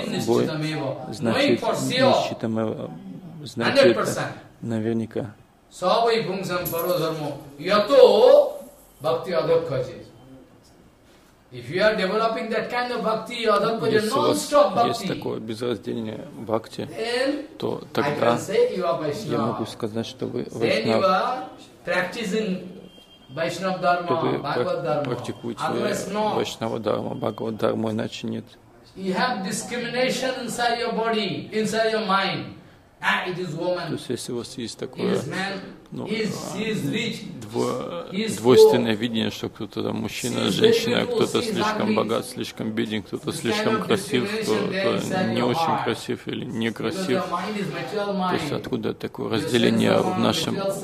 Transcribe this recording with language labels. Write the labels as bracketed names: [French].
[Russian] значит, нисчитамева, значит, наверняка. [Sanskrit] Собой пунгсам паро дхармо, ято бхакти адхакхаже. [English] If you are developing that kind of bhakti, adhakhaje, non-stop bhakti, [Russian] есть такое безраздельное бхакти, [English] then [Russian] то тогда я могу сказать, что вы вайшнав. То вы практикуете вайшнава дхарма, бхагават дхарму, иначе нет. [English] You have discrimination inside your body, inside your mind. Ah, it is woman. [Russian] То есть если у вас есть такое, ну, двойственное видение, что кто-то там мужчина, женщина, кто-то слишком богат, слишком беден, кто-то слишком красив, кто-то не очень красив или некрасив. То есть откуда такое разделение в нашем